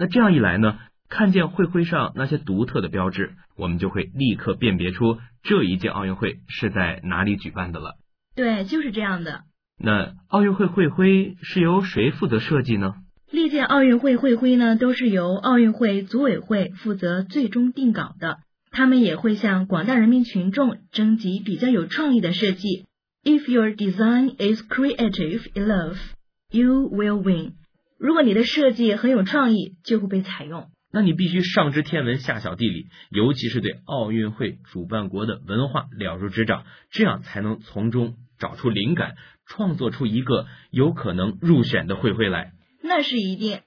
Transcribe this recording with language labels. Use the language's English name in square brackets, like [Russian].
[Chinese] 那这样一来呢，看见会徽上那些独特的标志，我们就会立刻辨别出这一届奥运会是在哪里举办的了。对，就是这样的。那奥运会会徽是由谁负责设计呢？历届奥运会会徽呢，都是由奥运会组委会负责最终定稿的，他们也会向广大人民群众征集比较有创意的设计。 [English] If your design is creative enough, you will win。 [Chinese] 如果你的设计很有创意，就会被采用。那你必须上知天文下晓地理，尤其是对奥运会主办国的文化了如指掌，这样才能从中找出灵感，创作出一个有可能入选的会徽来。那是一定。